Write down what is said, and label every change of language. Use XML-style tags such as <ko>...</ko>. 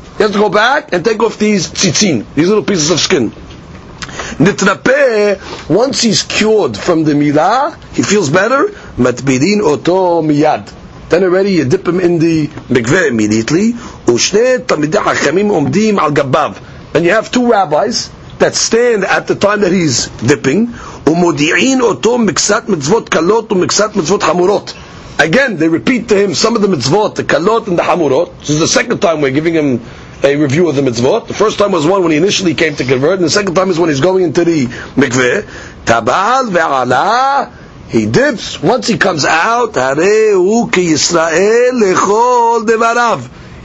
<en>He has to go back and take off these tzitzin, these little pieces of skin. Nitrapeh, once he's cured from the milah, he feels better.</en> <he>Matbirin oto miyad.</he> <en>Then already you dip him in the mikveh immediately.</en> <he>Ushne tamidei chachamim umdim al gabav.</he> <en>and you have two rabbis that stand at the time that he's dipping,</en> <he>ומודיעין אותו מקצת מצוות קלות ומקצת מצוות חמורות.</he> <en>Again, they repeat to him some of the mitzvot, the kalot and the hamurot. This is the second time we're giving him a review of the mitzvot. The first time was one when he initially came to convert, and the second time is when he's going into the mikveh.</en> <he>Tabal ve'ala,</he> <en>he dips. Once he comes out,</en> <he>Harehu ki Yisrael lechol devarav.</he>